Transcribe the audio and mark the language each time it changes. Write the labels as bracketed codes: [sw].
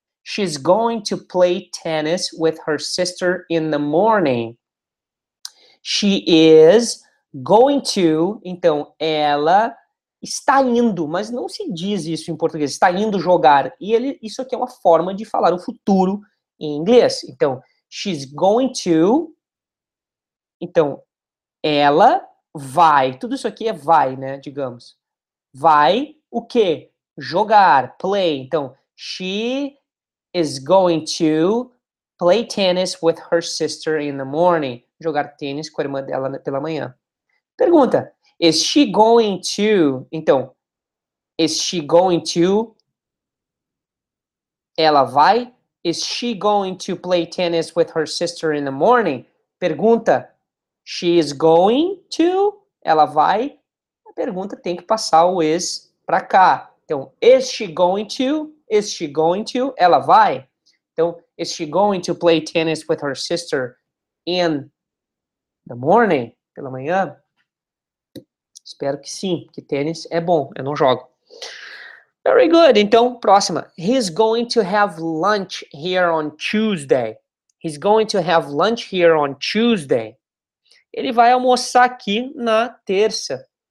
[en] She's going to play tennis with her sister in the morning. She is going to, [pt] então, ela está indo, mas não se diz isso em português, está indo jogar. E ele, isso aqui é uma forma de falar o futuro em inglês. Então, [en] she's going to, [pt] então, ela vai, tudo isso aqui é vai, né, digamos. Vai o quê? Jogar, play. [en] Então, she is going to play tennis with her sister in the morning. [pt] Jogar tênis com a irmã dela pela manhã. Pergunta, [en] is she going to, [pt] então, [en] is she going to, [pt] ela vai, [en] is she going to play tennis with her sister in the morning? [pt] Pergunta, [en] she is going to, [pt] ela vai, a pergunta tem que passar o is para cá. [en] Então, is she going to, [pt] ela vai. [en] Então, is she going to play tennis with her sister in the morning, [pt] pela manhã? Espero que sim, que tênis é bom, eu não jogo. [en] Very good, [pt] então, próxima. [en] He's going to have lunch here on Tuesday. He's going to have lunch here on Tuesday. [pt] Ele vai almoçar aqui na terça.